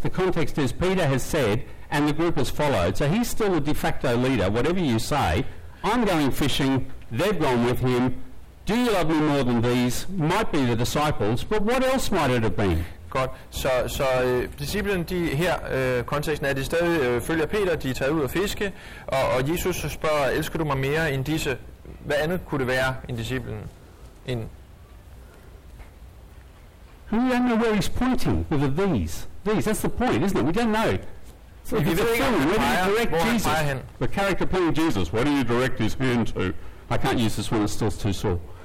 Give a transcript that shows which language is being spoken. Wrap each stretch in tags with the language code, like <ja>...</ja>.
<en>The context is Peter has said, and the group has followed, so he's still a de facto leader, whatever you say. I'm going fishing, they've gone with him, do you love me more than these, might be the disciples, but what else might it have been?</en> <da>Godt, så disciplen de her, konteksten er, at de stadig følger Peter, de er taget ud at fiske, og Jesus spørger, elsker du mig mere end disse, hvad andet kunne det være end disciplen?</da> <en>We don't know where he's pointing with these, that's the point, isn't it, we don't know. So if it's a film, where do you direct Jesus? The character playing Jesus, where do you direct his hand to? I can't use this one, it's still too sore.</en>